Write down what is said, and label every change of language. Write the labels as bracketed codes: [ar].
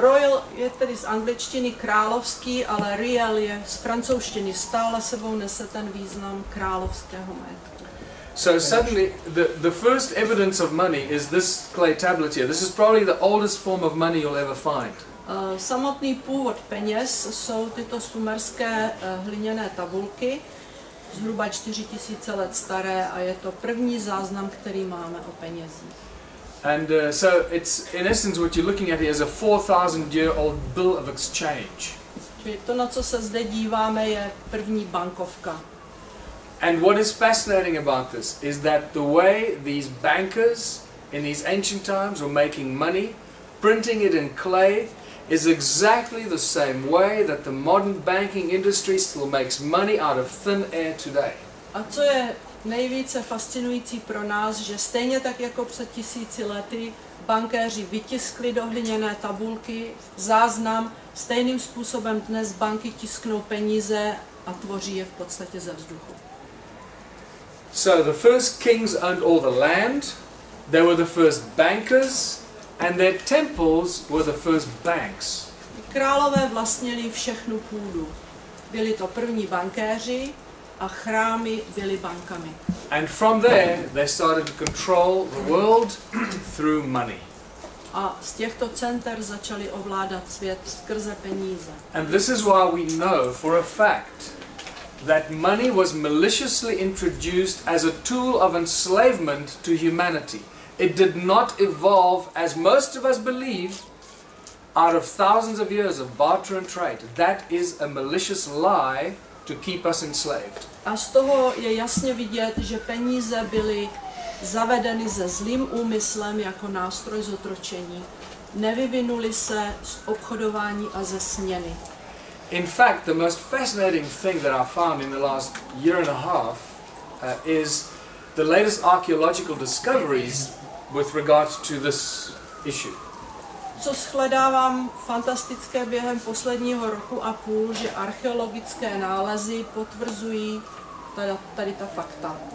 [cs] royal je tedy z angličtiny královský, ale real je z francouzštiny, stále sebou nese ten význam královského majetku. [en] So suddenly the first evidence of money is this clay tablet here. This is probably the oldest form of money you'll ever find. [cs] Samotný původ peněz jsou tyto sumerské hliněné tabulky, zhruba 4000 let staré, a je to první záznam, který máme o penězích. [en] And so it's in essence what you're looking at here is a 4000 year old bill of exchange. [cs] Čili to, na co se zde díváme, je první bankovka. [en] And what is fascinating about this is that the way these bankers in these ancient times were making money, printing it in clay, is exactly the same way that the modern banking industry still makes money out of thin air today. [cs] A co je nejvíce fascinující pro nás, že stejně tak jako před tisíci lety bankéři vytiskli do hliněné tabulky záznam, stejným způsobem dnes banky tisknou peníze a tvoří je v podstatě ze vzduchu. [en] So the first kings owned all the land, they were the first bankers, and their temples were the first banks. [cs] Králové vlastnili všechnu půdu. Byli to první bankéři a chrámy byly bankami. [en] And from there, they started to control the world through money. [cs] A z těchto center začali ovládat svět skrze peníze. [en] And this is why we know for a fact that money was maliciously introduced as a tool of enslavement to humanity. It did not evolve, as most of us believe, out of thousands of years of barter and trade. That is a malicious lie to keep us enslaved. [cs] A z toho je jasně vidět, že peníze byly zavedeny se zlým úmyslem jako nástroj zotročení. Nevyvinuli se z obchodování a ze směny. [en] In fact, the most fascinating thing that I found in the last year and a half is the latest archaeological discoveries with regards to this issue. [cs] Co shledávám fantastické během posledního roku a půl, že archeologické nálezy potvrzují tady ta fakta.